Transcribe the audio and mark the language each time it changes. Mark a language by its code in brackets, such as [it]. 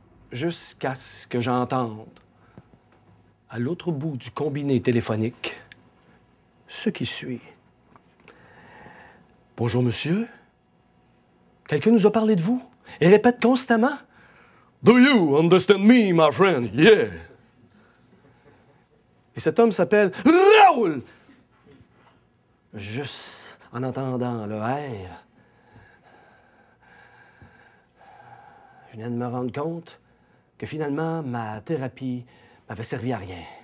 [fr] Jusqu'à ce que j'entende, à l'autre bout du combiné téléphonique, ce qui suit. Bonjour, monsieur. Quelqu'un nous a parlé de vous et répète constamment. [en] Do you understand me, my friend? Yeah. [fr] Et cet homme s'appelle Raoul. Juste en entendant le R, je viens de me rendre compte que finalement, ma thérapie m'avait servi à rien.